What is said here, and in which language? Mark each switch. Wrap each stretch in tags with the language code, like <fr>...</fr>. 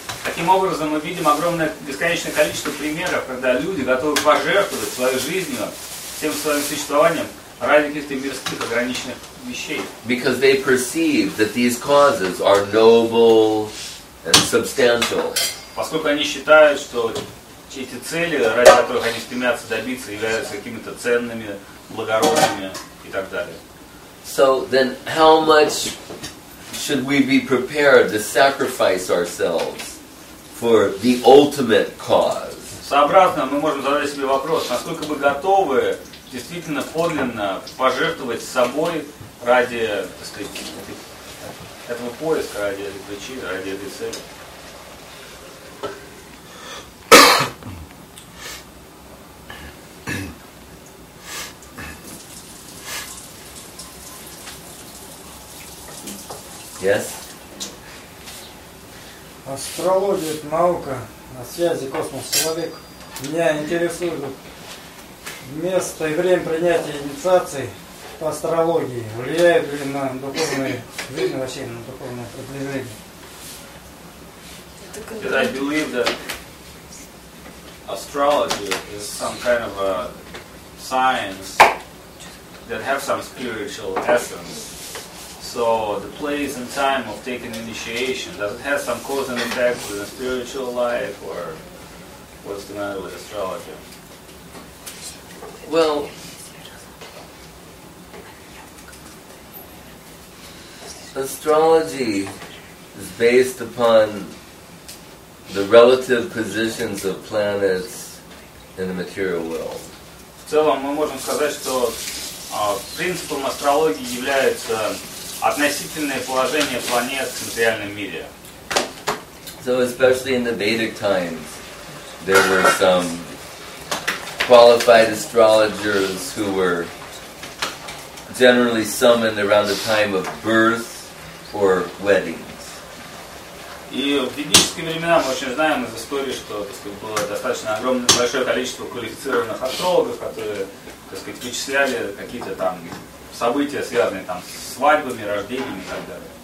<ru>Таким образом, мы видим огромное бесконечное количество примеров, когда люди готовы пожертвовать своей жизнью, всем своим существованием ради каких-то мирских ограниченных вещей.</ru> <en>Because they perceive that these causes are noble and substantial.</en> <ru>Поскольку они считают, что эти цели, ради которых они стремятся добиться, являются какими-то ценными, благородными и так далее.</ru> <en>So then, how much should we be prepared to sacrifice ourselves for the ultimate cause?</en> <ru>Сообразно, мы можем задать себе вопрос, насколько мы готовы действительно подлинно пожертвовать собой ради, так сказать, этого поиска, ради этой причины, ради этой цели.</ru> <en>Yes?</en> <ru>Астрология – это наука о связи космос-человек. Меня интересует место и время принятия инициации по астрологии. Влияет ли на духовные жизни, вообще на духовное продвижение?</ru> <en>Because I believe that astrology is some kind of a science that has some spiritual essence. So the place and time of taking initiation, does it have some cause and effect with the spiritual life, or what's the matter with astrology? Well, astrology is based upon the relative positions of planets in the material world.</en> <ru>В целом мы можем сказать, что принципом астрологии является относительное положение планет в материальном мире.</ru> <en>So especially in the Vedic times, there were some qualified astrologers who were generally summoned around the time of birth or weddings.</en> <ru>И в ведические времена мы очень знаем из истории, что, так сказать, было достаточно огромное большое количество квалифицированных астрологов, которые, так сказать, вычисляли какие-то там события, связанные там с свадьбами, рождениями и так далее.</ru>